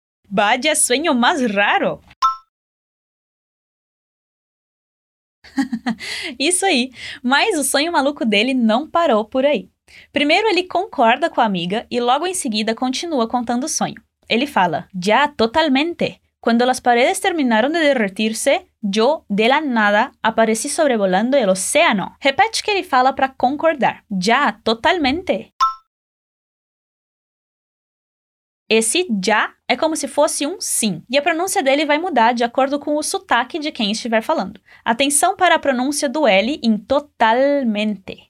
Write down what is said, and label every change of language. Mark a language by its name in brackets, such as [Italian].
[Spanish] Vaya sueño más raro! [Portuguese] Isso aí! Mas o sonho maluco dele não parou por aí. Primeiro ele concorda com a amiga e logo em seguida continua contando o sonho. Ele fala, [Spanish] Ya totalmente! Cuando las paredes terminaron de derretirse, yo, de la nada, aparecí sobrevolando el océano. [Portuguese] Repete que ele fala para concordar. [Spanish] Ya, totalmente. [Portuguese] Esse já é como se fosse um sim. E a pronúncia dele vai mudar de acordo com o sotaque de quem estiver falando. Atenção para a pronúncia do L em totalmente.